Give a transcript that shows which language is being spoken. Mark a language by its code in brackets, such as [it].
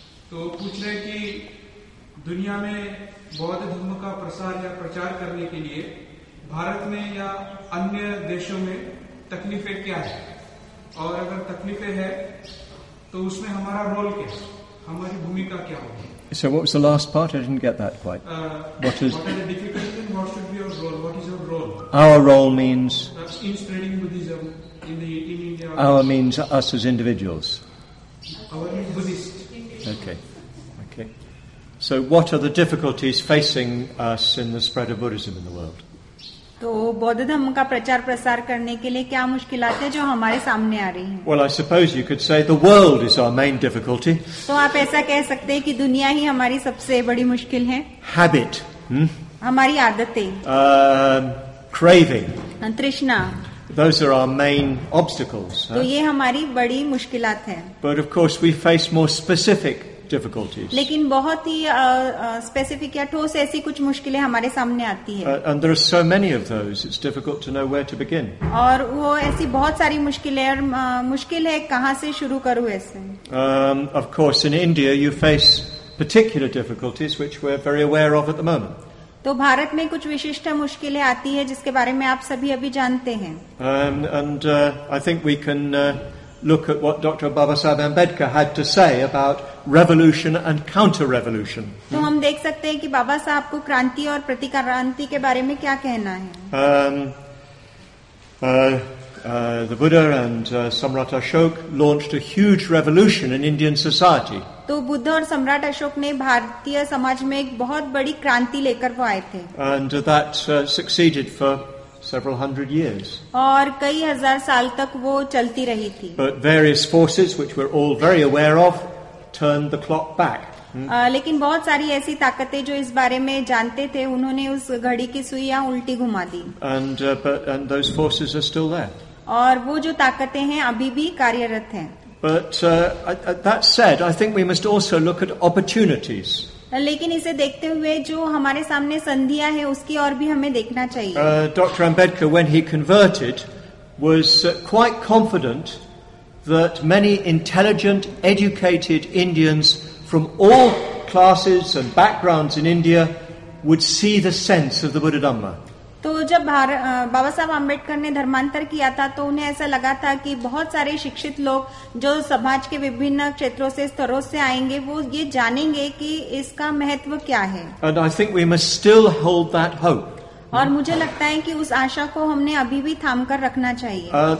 [hi] तो पूछ रहे कि दुनिया में बौद्ध धर्म का प्रसार या प्रचार करने के लिए भारत में या अन्य देशों में तकलीफें क्या है, और अगर तकलीफें हैं तो उसमें हमारा रोल क्या है, हमारी भूमिका क्या होगी? [en] So what was the last part? I didn't get that quite. What are the difficulties and what should be your role? What is your role? Our role means in spreading Buddhism in India. Our means us as individuals. Our means Buddhist. Okay. So what are the difficulties facing us in the spread of Buddhism in the world? [hi] तो बौद्ध धर्म का प्रचार प्रसार करने के लिए क्या मुश्किलें जो हमारे सामने आ रही हैं? [en] Well, I suppose you could say the world is our main difficulty. [hi] तो आप ऐसा कह सकते हैं कि दुनिया ही हमारी सबसे बड़ी मुश्किल है? [en] Habit. [hi] हमारी आदतें. [en] Craving. [hi] तृष्णा. [en] Those are our main obstacles. [hi] तो ये हमारी बड़ी मुश्किलात हैं. [en] But of course, we face more specific difficulties. [hi] लेकिन बहुत ही स्पेसिफिक या ठोस ऐसी कुछ मुश्किलें हमारे सामने आती हैं. [en] And there are so many of those, it's difficult to know where to begin. [hi] और वो ऐसी बहुत सारी मुश्किलें हैं और मुश्किल है कहाँ से शुरू करूँ ऐसे. [en] Of course, in India, you face particular difficulties which we're very aware of at the moment. [hi] तो भारत में कुछ विशिष्ट मुश्किलें आती हैं जिसके बारे में आप सभी अभी जानते हैं. [en] And I think we can look at what Dr. Babasaheb Ambedkar had to say about revolution and counter-revolution. [hi] तो हम देख सकते हैं कि बाबा साहब को क्रांति और प्रतिक्रांति के बारे में क्या कहना है. [en] The Buddha and Samrat Ashok launched a huge revolution in Indian society. [hi] तो बुद्ध और सम्राट अशोक ने भारतीय समाज में एक बहुत बड़ी क्रांति लेकर वो आए थे. [en] And that succeeded for several hundred years. [hi] और कई हजार साल तक वो चलती रही थी. [en] But various forces, which we're all very aware of, turned the clock back. [hi] लेकिन बहुत सारी ऐसी ताकतें जो इस बारे में जानते थे उन्होंने उस घड़ी की सुइयां उल्टी घुमा दी. [en] And those forces are still there. [hi] और वो जो ताकतें हैं अभी भी कार्यरत हैं. [en] But that said, I think we must also look at opportunities. [hi] लेकिन इसे देखते हुए जो हमारे सामने संधियां हैं उसकी और भी हमें देखना चाहिए. [en] Dr. Ambedkar, when he converted, was quite confident that many intelligent, educated Indians from all classes and backgrounds in India would see the sense of the Buddha Dhamma. [hi] तो जब बाबा साहब अंबेडकर ने धर्मांतर किया था तो उन्हें ऐसा लगा था कि बहुत सारे शिक्षित लोग जो समाज के विभिन्न क्षेत्रों से स्तरों से आएंगे वो ये जानेंगे कि इसका महत्व क्या है. [en] And I think we must still hold that hope. [hi] और मुझे लगता है कि उस आशा को हमने अभी भी थाम कर रखना चाहिए.